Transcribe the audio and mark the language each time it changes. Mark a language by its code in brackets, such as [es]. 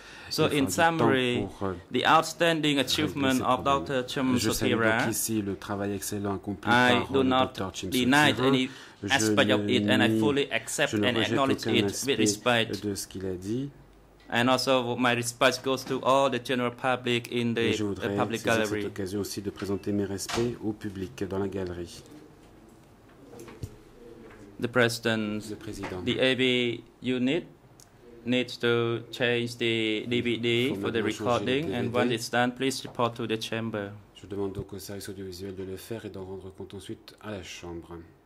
[en] So in summary, the outstanding achievement of Dr. Chhim Sothera, I do not deny any aspect of it, and I fully accept and acknowledge it with respect. And also my respect goes to all the general public in the public gallery. [fr] Cette occasion aussi de présenter mes respects au public dans la galerie. [en] The President, the AV unit, needs to change the DVD for the recording, and when it's done, please report to the chamber. [fr] Je demande donc au service audiovisuel de le faire et d'en rendre compte ensuite à la chambre.